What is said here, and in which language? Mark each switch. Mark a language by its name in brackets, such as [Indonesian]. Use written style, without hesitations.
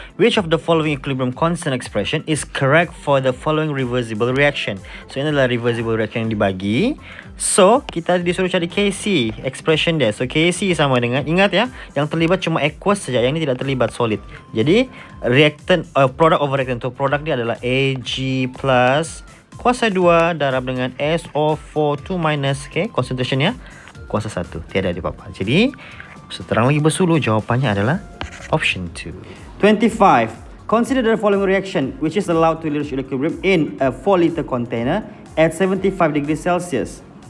[English] Which of the following equilibrium constant expression is correct for the following reversible reaction? [Malay] So ini adalah reversible reaction yang dibagi. So kita disuruh cari Kc expression dia. So Kc sama dengan, ingat ya, yang terlibat cuma aqueous saja, yang ini tidak terlibat solid. Jadi reactant product over reactant. So product dia adalah Ag plus kuasa 2 darab dengan SO4 2 minus K, concentration ya, kuasa 1. Tiada di apa-apa. Jadi seterang lagi bersuluh, jawapannya adalah option 2. 25. [English] Consider the following reaction which is allowed to reach equilibrium in a 4 liter container at 75 degrees Celsius.